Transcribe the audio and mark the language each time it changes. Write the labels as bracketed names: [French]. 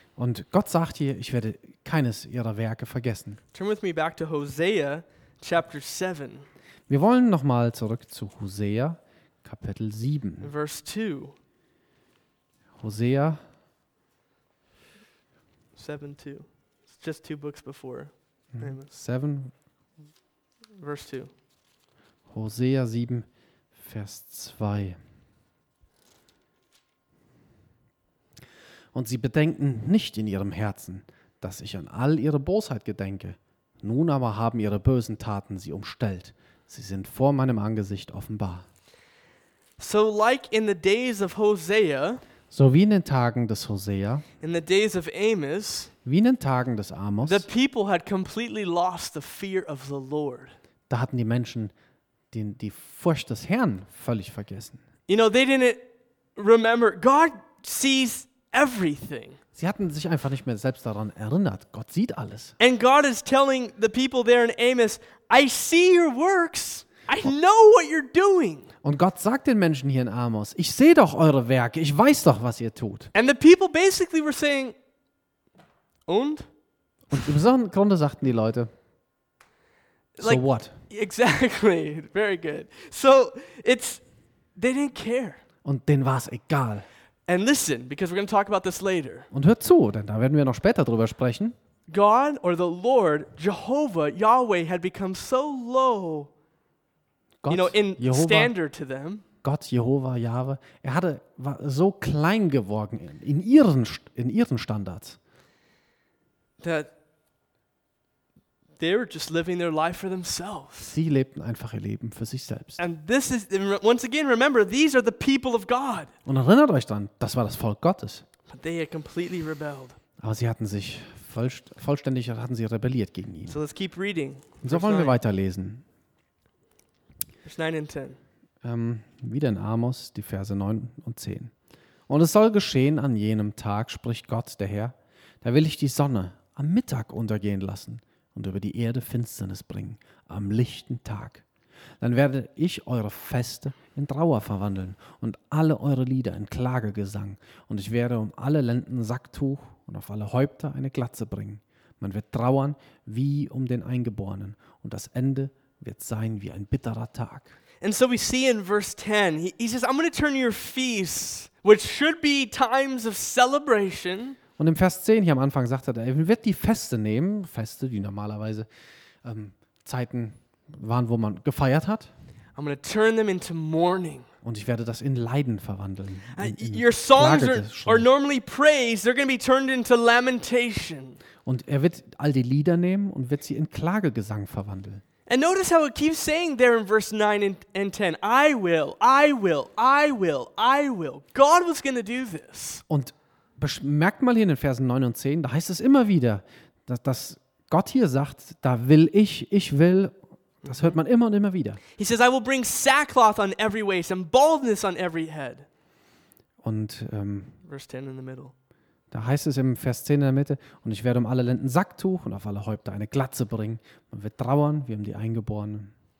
[German] Und Gott sagt hier, ich werde keines ihrer Werke vergessen. [English] Turn with me back to Hosea, chapter 7. [German] Wir wollen nochmal zurück zu Hosea, Kapitel 7. [English] Verse 2. Hosea 7:2. It's just two books before. 7. Verse 2. [German] Hosea 7, Vers 2. Und sie bedenken nicht in ihrem Herzen, dass ich an all ihre Bosheit gedenke. Nun aber haben ihre bösen Taten sie umstellt. Sie sind vor meinem Angesicht offenbar. [English] So like in the days of Hosea, [German] so wie in den Tagen des Hosea, [English] in the days of Amos, [German] wie in den Tagen des Amos, [English] the people had completely lost the fear of the Lord. [German] Da hatten die Menschen die Furcht des Herrn völlig vergessen. [English] You know, they didn't remember. God sees everything. [German] Sie hatten sich einfach nicht mehr selbst daran erinnert. Gott sieht alles. [English] And God is telling the people there in Amos, I see your works. I know what you're doing. [German] Und Gott sagt den Menschen hier in Amos, ich sehe doch eure Werke. Ich weiß doch, was ihr tut. [English] And the people basically were saying, [German] und? Und im so einem Grunde sagten die Leute, [English] so like, what? Exactly. Very good. So it's, they didn't care. [German] Und denen war es egal. [English] And listen, because we're going to talk about this later. [German] Und hört zu, denn da werden wir noch später drüber sprechen. [English] God or the Lord, Jehovah, Yahweh had become so low, [German] Gott, [English] you know, in Jehovah, standard to them. [German] Gott, Jehovah, Yahweh, war so klein geworden in ihren Standards. [English] That They were just living their life for themselves. [German] Sie lebten einfach ihr Leben für sich selbst. [English] And this is, once again, remember, these are the people of God. [German] Und erinnert euch dran, das war das Volk Gottes. [English] But they had completely rebelled. [German] Aber sie hatten sich vollständig hatten sie rebelliert gegen ihn. [English] So let's keep reading. [German] Und so wollen wir weiterlesen. Vers 9 und 10. Wieder in Amos, die Verse 9 und 10. Und es soll geschehen an jenem Tag, spricht Gott, der Herr, da will ich die Sonne am Mittag untergehen lassen und über die Erde Finsternis bringen, am lichten Tag. Dann werde ich eure Feste in Trauer verwandeln und alle eure Lieder in Klagegesang. Und ich werde um alle Lenden Sacktuch und auf alle Häupter eine Glatze bringen. Man wird trauern wie um den Eingeborenen und das Ende wird sein wie ein bitterer Tag. [English] And so we see in verse 10, he says, I'm going to turn your feasts, which should be times of celebration. [German] Und im Vers 10 hier am Anfang sagt er, er wird die Feste nehmen, Feste, die normalerweise Zeiten waren, wo man gefeiert hat. [English] I'm going to turn them into mourning. [German] Und ich werde das in Leiden verwandeln. [English] Your songs are normally praise, they're going to be turned into lamentation. [German] Und er wird all die Lieder nehmen und wird sie in Klagegesang verwandeln. [English] And notice how it keeps saying there in verse 9 and 10, I will, I will, I will, I will. God was going to do this. [German] Und merkt mal hier in den Versen 9 und 10, da heißt es immer wieder, dass Gott hier sagt, da will ich will. Das hört man immer und immer wieder. [English] He says, I will bring sackcloth on every waist and baldness on every head. [German] Und [English] verse 10 in the middle. [German] Da heißt es im Vers 10 in der Mitte, und ich werde um alle Lenden Sacktuch und auf alle Häupter eine Glatze bringen. Man wird trauern wie um die Eingeborenen.